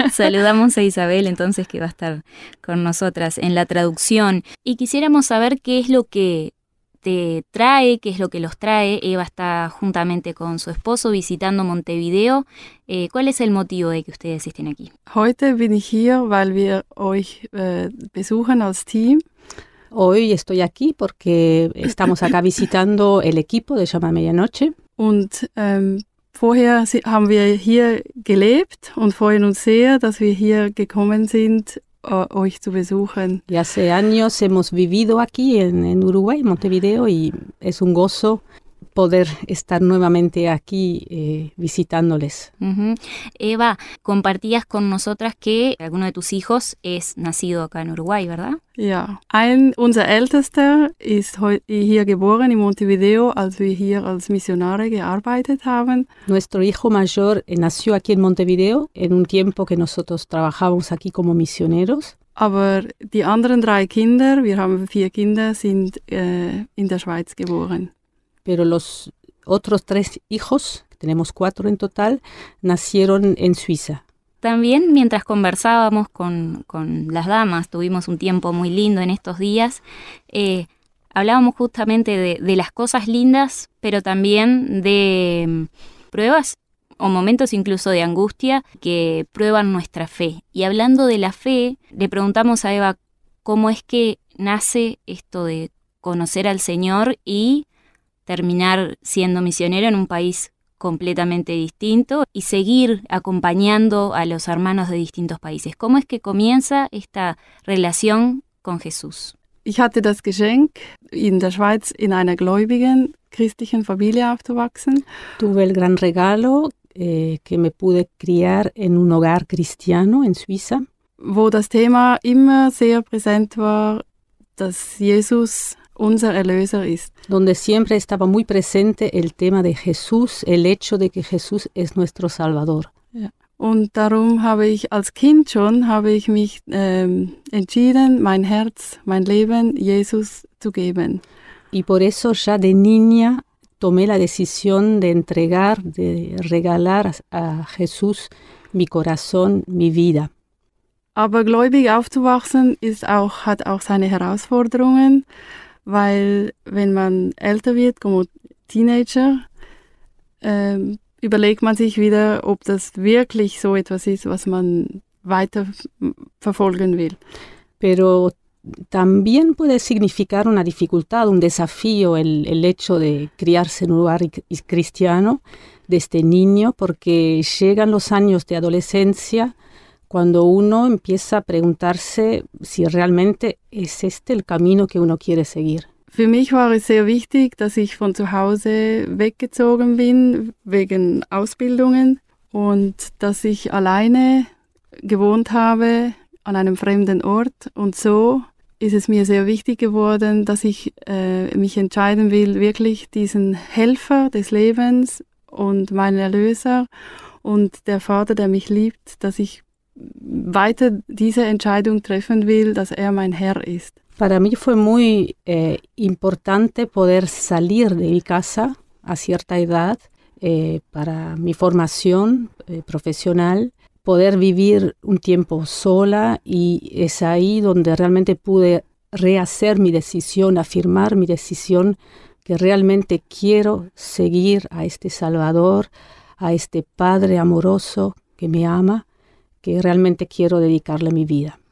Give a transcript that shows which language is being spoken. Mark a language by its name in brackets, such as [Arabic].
[Spanish] Saludamos a Isabel, entonces, que va a estar con nosotras en la traducción. Y quisiéramos saber qué es lo que te trae, qué es lo que los trae. Eva está juntamente con su esposo visitando Montevideo. ¿Cuál es el motivo de que ustedes estén aquí? [German] Heute bin ich hier, weil wir euch besuchen als Team. [Spanish] Hoy estoy aquí porque estamos acá visitando el equipo de Llama Medianoche. [German] Und vorher haben wir hier gelebt und freuen uns sehr, dass wir hier gekommen sind, euch zu besuchen. [Spanish] Ya hace años hemos vivido aquí en Uruguay, Montevideo, y es un gozo poder estar nuevamente aquí visitándoles. Uh-huh. Eva, compartías con nosotras que alguno de tus hijos es nacido acá en Uruguay, ¿verdad? [German] Ja, unser ältester ist hier geboren in Montevideo, als wir hier als Missionare gearbeitet haben. [Spanish] Nuestro hijo mayor nació aquí en Montevideo en un tiempo que nosotros trabajábamos aquí como misioneros. [German] Aber die anderen drei Kinder, wir haben vier Kinder, sind in der Schweiz geboren. [Spanish] Pero los otros tres hijos, tenemos cuatro en total, nacieron en Suiza. También mientras conversábamos con las damas, tuvimos un tiempo muy lindo en estos días, hablábamos justamente de las cosas lindas, pero también de pruebas o momentos incluso de angustia que prueban nuestra fe. Y hablando de la fe, le preguntamos a Eva cómo es que nace esto de conocer al Señor y terminar siendo misionero en un país completamente distinto y seguir acompañando a los hermanos de distintos países. ¿Cómo es que comienza esta relación con Jesús? [German] Ich hatte das Geschenk, in der Schweiz in einer gläubigen christlichen Familie aufzuwachsen. [Spanish] Tuve el gran regalo que me pude criar en un hogar cristiano en Suiza, [German] wo das Thema immer sehr präsent war, dass Jesus unser Erlöser ist. [Spanish] Donde siempre estaba muy presente el tema de Jesús, el hecho de que Jesús es nuestro Salvador. [German] Und darum habe ich als Kind schon, habe ich mich entschieden, mein Herz, mein Leben Jesus zu geben. [Spanish] Y por eso ya de niña tomé la decisión de entregar, de regalar a Jesús mi corazón, mi vida. [German] Aber gläubig aufzuwachsen ist auch, hat auch seine Herausforderungen. Weil wenn man älter wird, [Spanish] como [German] Teenager, überlegt man sich wieder, ob das wirklich so etwas ist, was man weiter verfolgen will. [Spanish] Pero también puede significar una dificultad, un desafío, el hecho de criarse en un lugar cristiano desde niño, porque llegan los años de adolescencia cuando uno empieza a preguntarse si realmente es este el camino que uno quiere seguir. [German] Für mich war es sehr wichtig, dass ich von zu Hause weggezogen bin wegen Ausbildungen und dass ich alleine gewohnt habe an einem fremden Ort. Und so ist es mir sehr wichtig geworden, dass ich mich entscheiden will, wirklich diesen Helfer des Lebens und meinen Erlöser und der Vater, der mich liebt, dass ich weiter diese Entscheidung treffen will, dass er mein Herr ist. [Spanish] Para mí fue muy importante poder salir de mi casa a cierta edad para mi formación profesional, poder vivir un tiempo sola y es ahí donde realmente pude rehacer mi decisión, afirmar mi decisión que realmente quiero seguir a este Salvador, a este Padre amoroso que me ama, que realmente quiero dedicarle mi vida.